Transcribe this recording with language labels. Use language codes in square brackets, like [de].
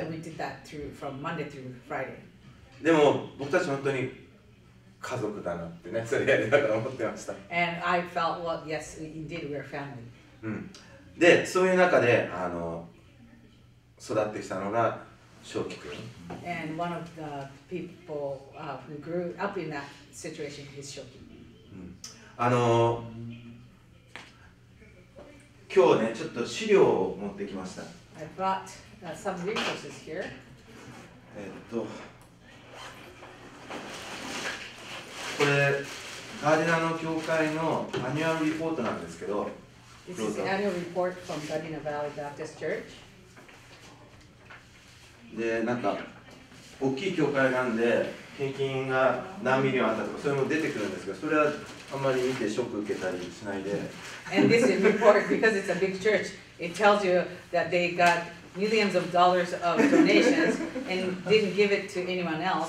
[en] And we did that through, from Monday through Friday. [ja] でも、僕たち本当に家族だなってね、それやりながら思ってました。 [en] And I felt, well, yes, indeed, we're family. [ja] で、そういう中で、育ってきたのが翔輝くん。 [en] And one of the people who grew up in that situation is 翔輝。 [ja] 今日ね、ちょっと資料を持ってきました。 [en] I brought some resources here. [ja] これ、ガーディナーの教会のアニュアルリポートなんですけど。 [en] This is the annual report from Gardena Valley Baptist Church. [ja] で、なんか大きい教会なんで献金が何ミリオンあったとかそれも出てくるんですけど、それはあんまり見てショック受けたりしないで。 [en] And this is report because it's a big church. It tells you that they got millions of dollars of donations and didn't give it to anyone else.